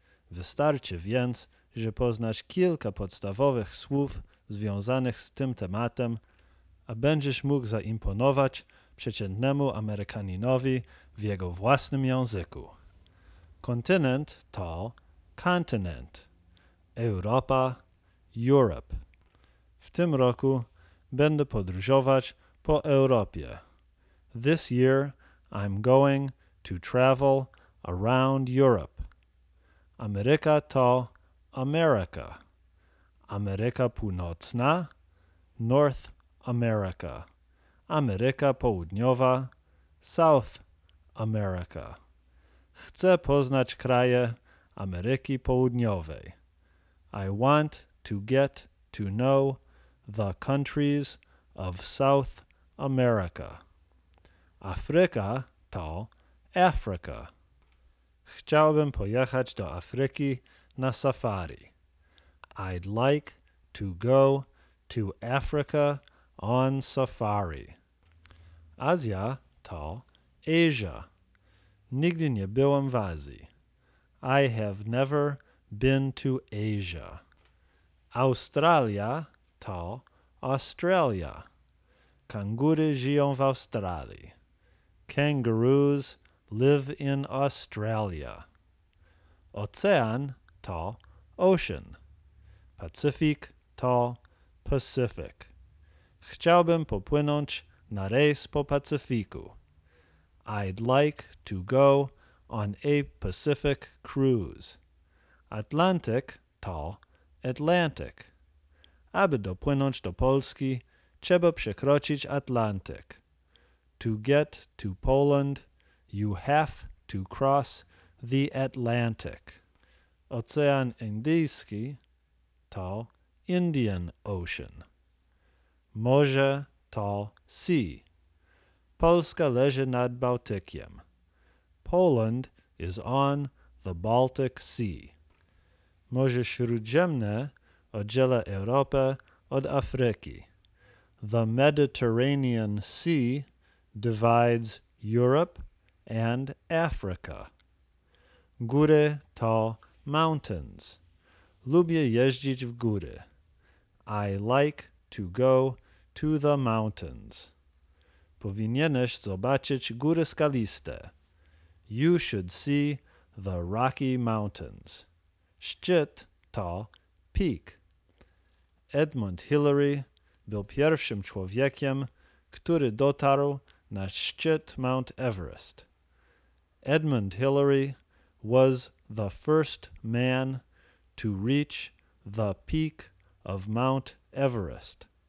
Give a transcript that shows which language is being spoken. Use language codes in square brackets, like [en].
[pl] Wystarczy więc, że poznasz kilka podstawowych słów związanych z tym tematem, a będziesz mógł zaimponować przeciętnemu Amerykaninowi w jego własnym języku. Kontynent to continent, Europa, Europe. W tym roku będę podróżować po Europie. [en] This year I'm going to travel around Europe. [pl] Ameryka to America. Ameryka Północna, North America. Ameryka Południowa, South America. Chcę poznać kraje Ameryki Południowej. [en] I want to get to know the countries of South America. [pl] Afryka to Africa. Chciałbym pojechać do Afryki na safari. [en] I'd like to go to Africa on safari. [pl] Azja to Asia. Nigdy nie byłem w Azji. [en] I have never been to Asia. Australia to Australia. [pl] Kangury żyją w Australii. [en] Kangaroos live in Australia. [pl] Ocean to ocean. Pacific to Pacific. Chciałbym popłynąć na rejs po Pacyfiku. [en] I'd like to go on a Pacific cruise. [pl] Atlantic to Atlantic. Aby dopłynąć do Polski, trzeba przekroczyć Atlantyk. [en] To get to Poland, you have to cross the Atlantic. [pl] Ocean Indyjski to Indian Ocean. Morze to sea. Polska leży nad Bałtykiem. [en] Poland is on the Baltic Sea. [pl] Morze Śródziemne oddziela Europę od Afryki. [en] The Mediterranean Sea divides Europe and Africa. [pl] Góry to mountains. Lubię jeździć w góry. [en] I like to go to the mountains. [pl] Powinieneś zobaczyć góry skaliste. [en] You should see the Rocky Mountains. [pl] Szczyt to peak. Edmund Hillary był pierwszym człowiekiem, który dotarł na szczyt Mount Everest. [en] Edmund Hillary was the first man to reach the peak of Mount Everest.